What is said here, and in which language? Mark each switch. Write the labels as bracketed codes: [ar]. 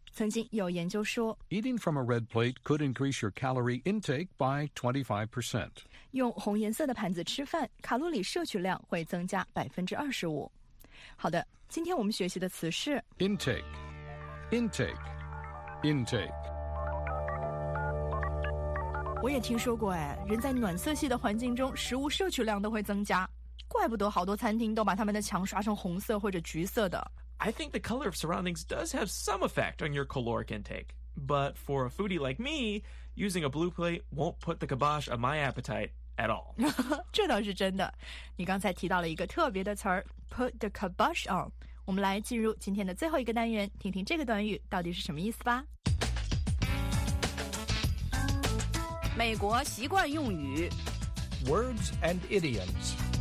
[zh] 曾经有研究说 [en] Eating from a red plate could increase your calorie intake by 25%. [zh] 用红颜色的盘子吃饭卡路里摄取量会增加25%。好的今天我们学习的词是 [en] Intake Intake Intake [zh] 我也听说过哎，人在暖色系的环境中，食物摄取量都会增加，怪不得好多餐厅都把他们的墙刷成红色或者橘色的。 [en] I think the color of surroundings does have some effect on your caloric intake, but for a foodie like me, using a blue plate won't put the kibosh on my appetite at all. [zh] 这倒是真的。你刚才提到了一个特别的词儿 ， [en] put the kibosh on。 [zh] 我们来进入今天的最后一个单元，听听这个短语到底是什么意思吧。美国习惯用语 [en] Words and idioms